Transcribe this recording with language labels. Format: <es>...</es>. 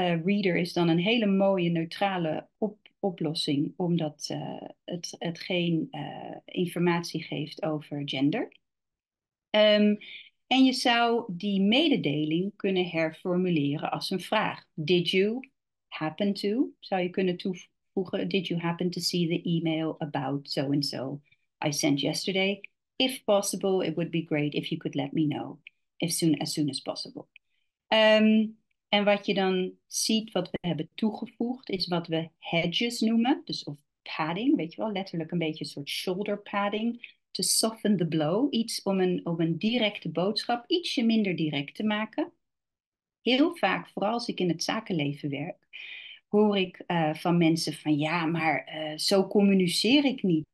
<nl>Reader is dan een hele mooie neutrale oplossing, omdat het geen informatie geeft over gender. En je zou die mededeling kunnen herformuleren als een vraag.</nl> <en>Did you happen to?</en> <nl>Zou je kunnen toevoegen.</nl> <en>Did you happen to see the email about so and so I sent yesterday? If possible, it would be great if you could let me know as soon as possible.</en> <nl>En wat je dan ziet, wat we hebben toegevoegd, is wat we hedges noemen. Dus of padding, weet je wel, letterlijk een beetje een soort shoulder padding.</nl> <en>To soften the blow,</en> <nl>iets om een directe boodschap ietsje minder direct te maken. Heel vaak, vooral als ik in het zakenleven werk, hoor ik van mensen van ja, maar zo communiceer ik niet.</nl>